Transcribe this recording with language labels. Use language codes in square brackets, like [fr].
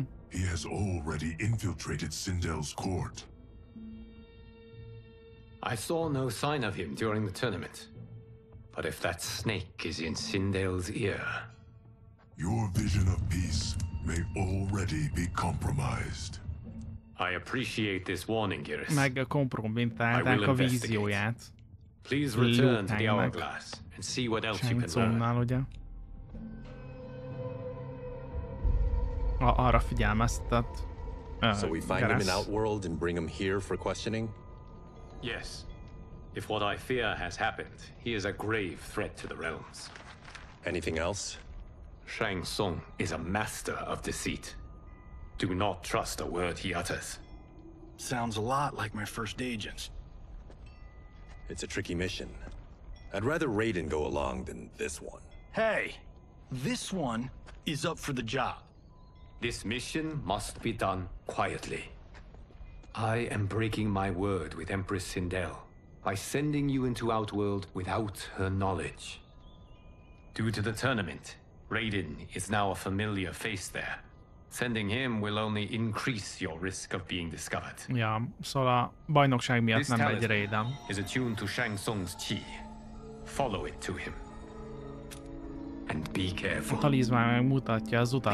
[en] He has already infiltrated Sindel's court. I saw no sign of him during the tournament. But if that snake is in Sindel's ear... Your vision of peace may already be compromised. I appreciate this warning, Geras. [hu] Megkompromittálták a vízióját. [en] Please return to the hourglass and see what else you can learn. [hu] Ugye? arra figyelmeztet. [en] So we find him in Outworld and bring him here for questioning? Yes. If what I fear has happened, he is a grave threat to the realms. Anything else? Shang Tsung is a master of deceit. Do not trust a word he utters. Sounds a lot like my first agents. It's a tricky mission. I'd rather Raiden go along than this one. Hey, this one is up for the job. This mission must be done quietly. I am breaking my word with Empress Sindel by sending you into Outworld without her knowledge. Due to the tournament, Raiden is now a familiar face there. Sending him will only increase your risk of being discovered. Yeah, so [hu] a bajnokság miatt nem megy Raiden. [en] Is attuned to Shang Tsung's chi. Follow it to him. And be careful. [hu] A talizmán megmutatja az utat.